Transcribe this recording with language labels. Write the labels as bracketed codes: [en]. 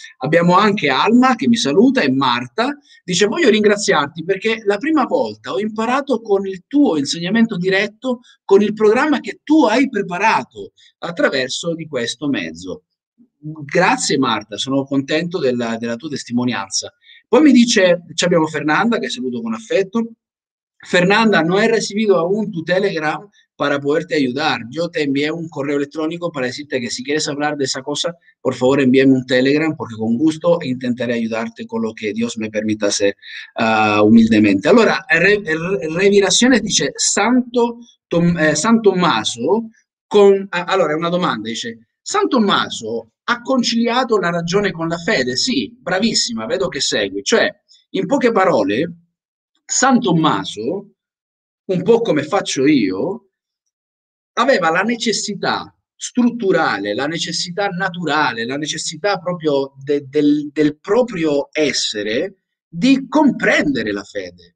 [it] Abbiamo anche Alma che mi saluta e Marta dice: voglio ringraziarti perché la prima volta ho imparato con il tuo insegnamento diretto, con il programma che tu hai preparato attraverso di questo mezzo. Grazie Marta, sono contento della tua testimonianza. Poi mi dice, ci abbiamo Fernanda che saluto con affetto. [es] Fernanda, no he recibido aún tu Telegram para poderte ayudar. Yo te envié un correo electrónico para decirte que si quieres hablar de esa cosa, por favor envíame un Telegram porque con gusto intentaré ayudarte con lo que Dios me permita hacer humildemente. [it] Allora, Reviraciones dice San Tommaso, allora è una domanda, dice San Tommaso ha conciliato la ragione con la fede? Sì, bravissima, vedo che segui. Cioè, in poche parole, San Tommaso, un po' come faccio io, aveva la necessità strutturale, la necessità naturale, la necessità proprio del proprio essere di comprendere la fede.